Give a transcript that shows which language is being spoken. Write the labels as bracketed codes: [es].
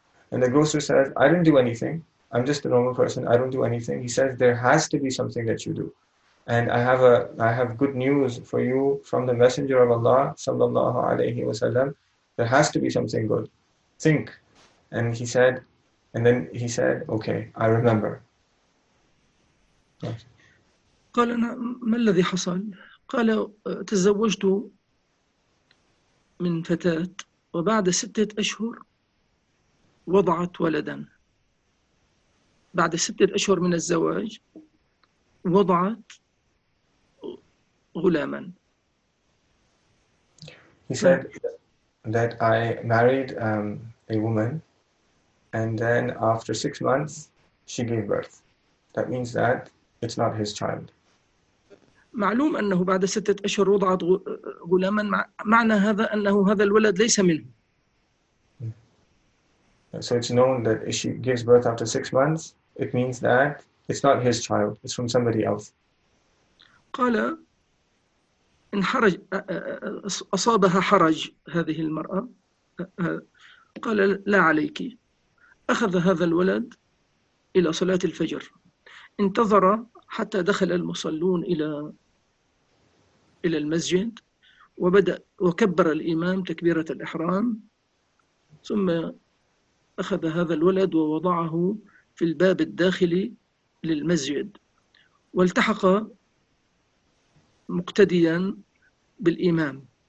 [en] And the grocer says, I didn't do anything. I'm just a normal person. I don't do anything. He says, there has to be something that you do, and I have good news for you from the Messenger of Allah sallallahu alaihi wasallam. There has to be something good. Think. And he said, and then he said, okay, I remember. [ar] قال أنا ما الذي حصل؟ قال تزوجت من فتاة وبعد 6 أشهر وضعت ولدا. بعد 6 أشهر من الزواج وضعت غلاما. [en] He said that I married a woman, and then after 6 months she gave birth. That means that it's not his child. [ar] معلوم أنه بعد 6 أشهر وضعت غلاما، معنى هذا أنه هذا الولد ليس منه. [en] So it's known that if she gives birth after 6 months, it means that it's not his child, it's from somebody else. [ar] قال انحرج، أصابها حرج هذه المرأة. قال لا عليك، أخذ هذا الولد إلى صلاة الفجر، انتظر حتى دخل المصلون إلى المسجد، وبدأ وكبر الإمام تكبيرة الإحرام، ثم أخذ هذا الولد ووضعه في الباب الداخلي للمسجد، والتحق مقتديا بالإمام.